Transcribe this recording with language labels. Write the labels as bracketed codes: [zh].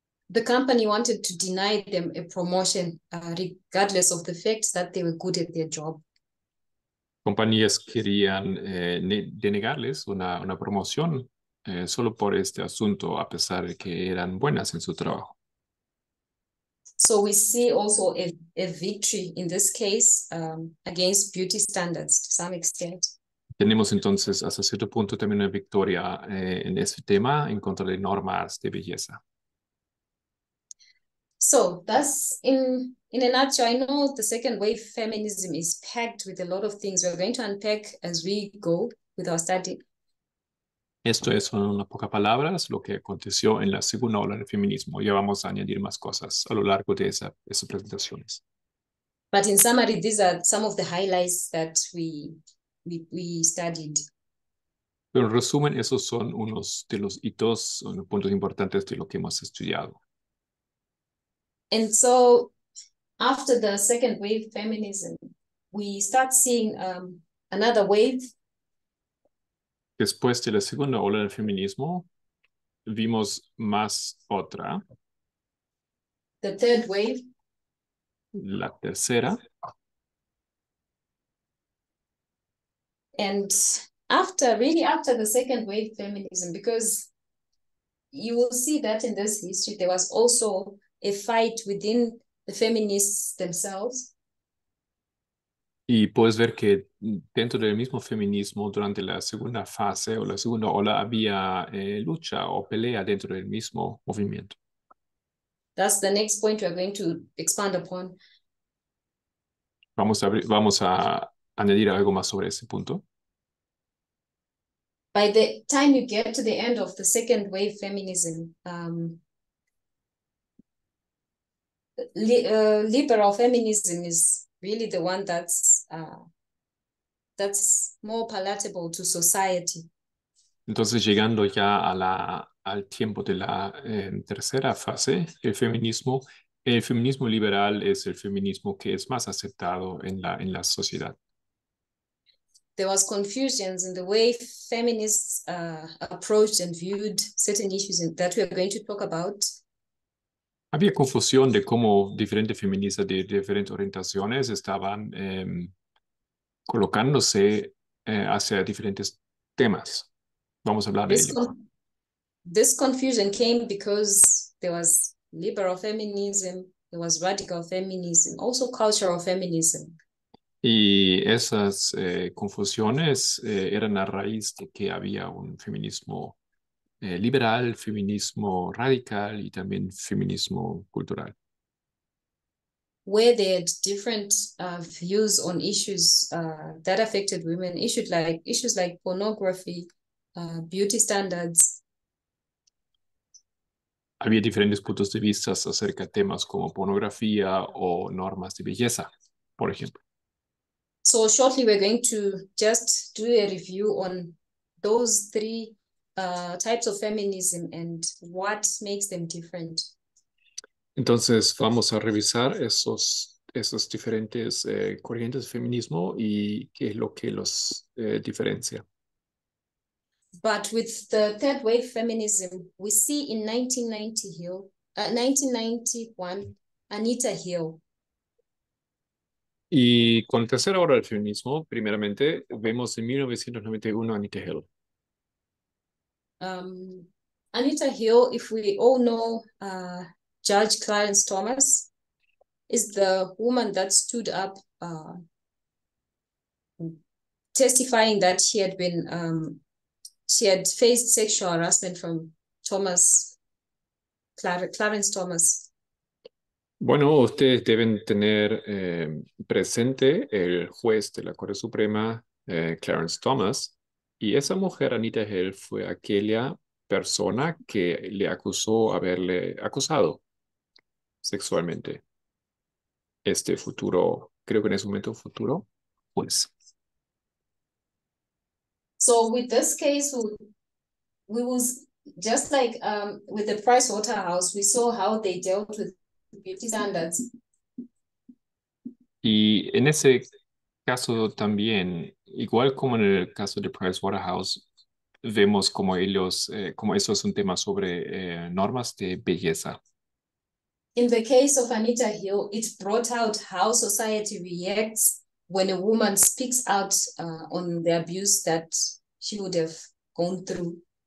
[en] The company wanted to deny them a promotion, regardless of the fact that they were good at their job. [es] Compañías querían denegarles una promoción solo por este asunto, a pesar de que eran buenas en su trabajo. [en] So we see also a victory in this case against beauty standards to some extent. [es] Tenemos entonces hasta cierto punto también una victoria en ese tema en contra de normas de belleza. [en] So that's in a nutshell. I know the second wave feminism is packed with a lot of things. We're going to unpack as we go with our study. [es] Esto es en unas pocas palabras lo que aconteció en la segunda ola del feminismo. Ya vamos a añadir más cosas a lo largo de esas presentaciones. [en] But in summary, these are some of the highlights that we studied. [es] Pero en resumen, esos son unos de los hitos, unos puntos importantes de lo que hemos estudiado. [en] And so, after the second wave feminism, we start seeing another wave. [es] Después de la segunda ola del feminismo, vimos más otra. [en] The third wave. [es] La tercera. [en] And after the second wave feminism, because you will see that in this history, there was also a fight within the feminists themselves. [es] Y puedes ver que dentro del mismo feminismo durante la segunda fase o la segunda ola había lucha o pelea dentro del mismo movimiento. [en] That's the next point we're going to expand upon. [es] Vamos a añadir algo más sobre ese punto. [en] By the time you get to the end of the second wave feminism, liberal feminism is really the one that's more palatable to society. [es] Entonces, llegando ya al tiempo de la tercera fase, el feminismo liberal es el feminismo que es más aceptado en la sociedad. [en] There was confusions in the way feminists approached and viewed certain issues that we are going to talk about. [es] Había confusión de cómo diferentes feministas de diferentes orientaciones estaban colocándose hacia diferentes temas. Vamos a hablar de ello. [en] This confusion came because there was liberal feminism, there was radical feminism, also cultural feminism. [es] Y esas confusiones eran a raíz de que había un feminismo liberal, feminismo radical y también feminismo cultural. [en] Where they had different views on issues that affected women, issues like pornography, beauty standards. [es] Había diferentes puntos de vista acerca de temas como pornografía o normas de belleza, por ejemplo. [en] So shortly we're going to just do a review on those three types of feminism and what makes them different. [es] Entonces vamos a revisar esos diferentes corrientes de feminismo y qué es lo que los diferencia. [en] But with the third wave feminism, we see in 1991, Anita Hill. [es] Y con el tercer ahora del feminismo, primeramente, vemos en 1991 Anita Hill. [en] Anita Hill, if we all know Judge Clarence Thomas, is the woman that stood up testifying that she had faced sexual harassment from Clarence Thomas. [es] Bueno, ustedes deben tener presente el juez de la Corte Suprema, Clarence Thomas, y esa mujer, Anita Hill, fue aquella persona que le acusó haberle acusado sexualmente. Este futuro, creo que en ese momento futuro, juez. [en] So with this case, we was just like with the Price Waterhouse, we saw how they dealt with beauty standards. [es] Y en ese caso también, igual como en el caso de Price Waterhouse, vemos como ellos, como eso es un tema sobre normas de belleza. [en] In the case of Anita Hill, it brought out how society reacts when a woman speaks out on the abuse that she would have gone through.